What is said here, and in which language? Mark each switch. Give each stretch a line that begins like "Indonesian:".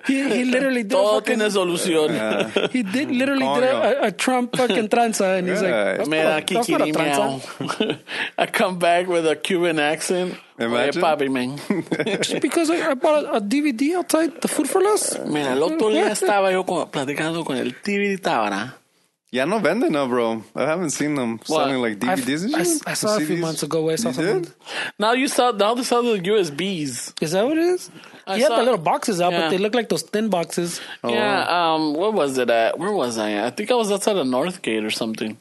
English: He literally did
Spanish: todo fucking, tiene solución.
English: He did literally did a Trump fucking tranza, and he's like, mira, kikiri, meow. I come back with a Cuban accent. Imagine. Hey, papi, man. Because I bought a DVD outside the Food for Less.
Spanish: Mira, el otro día estaba yo platicando con el TV de Tabara. Ya no venden, no, bro.
English: I haven't seen them selling like DVDs and shit. I saw a few months ago. Where I saw you did? Now they sell the USBs. Is that what it is? I you saw, have the little boxes out, yeah. But they look like those thin boxes. Oh. Yeah. Where was it at? Where was I? I think I was outside of Northgate or something.